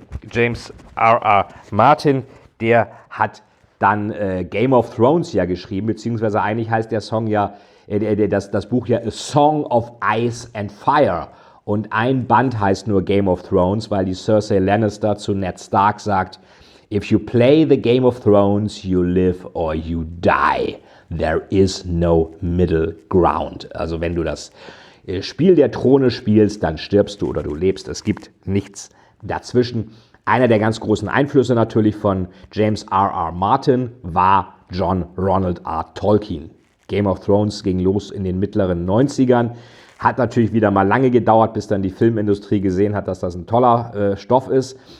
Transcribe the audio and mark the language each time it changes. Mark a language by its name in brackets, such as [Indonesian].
[German] James R.R. Martin, der hat dann Game of Thrones ja geschrieben, beziehungsweise eigentlich heißt der Song ja, das Buch ja A Song of Ice and Fire. Und ein Band heißt nur Game of Thrones, weil die Cersei Lannister zu Ned Stark sagt, [English] if you play the Game of Thrones, you live or you die. There is no middle ground. [German] Also wenn du das Spiel der Throne spielst, dann stirbst du oder du lebst. Es gibt nichts dazwischen. Einer der ganz großen Einflüsse natürlich von James R.R. Martin war John Ronald R. Tolkien. Game of Thrones ging los in den mittleren 90ern. Hat natürlich wieder mal lange gedauert, bis dann die Filmindustrie gesehen hat, dass das ein toller Stoff ist.